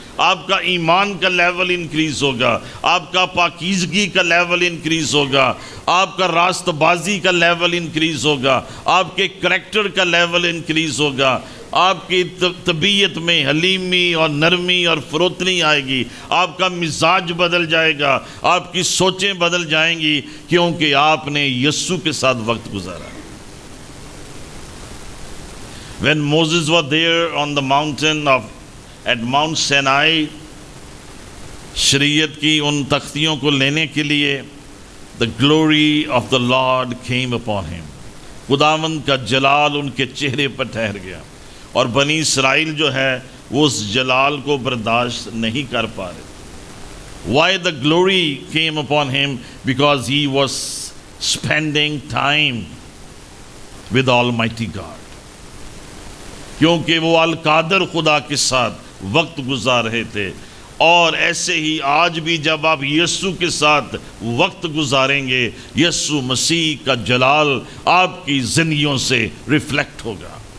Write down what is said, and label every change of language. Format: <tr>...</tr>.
<ur>آپ کا ایمان کا لیول انکریز ہوگا، آپ کا پاکیزگی کا لیول انکریز ہوگا، آپ کا راست بازی کا لیول انکریز ہوگا، آپ کے کریکٹر کا لیول انکریز ہوگا، آپ کی طبیعت میں حلیمی اور نرمی اور فروتنی آئے گی، آپ کا مزاج بدل جائے گا، آپ کی سوچیں بدل جائیں گی، کیونکہ آپ نے یسوع کے ساتھ وقت گزارا.</ur> <en>When Moses was there on the mountain of at Mount Sinai,</en> <ur>شریعت کی ان تختیوں کو لینے کے لیے</ur> <en>the glory of the Lord came upon him.</en> <ur>خداوند کا جلال ان کے چہرے پر ٹھہر گیا اور بنی اسرائیل جو ہے وہ اس جلال کو برداشت نہیں کر پا رہے.</ur> <en>Why the glory came upon him? Because he was spending time with Almighty God.</en> <ur>کیونکہ وہ القادر خدا کے ساتھ وقت گزار رہے تھے. اور ایسے ہی آج بھی جب آپ یسوع کے ساتھ وقت گزاریں گے، یسوع مسیح کا جلال آپ کی زندگیوں سے ریفلیکٹ ہوگا.</ur>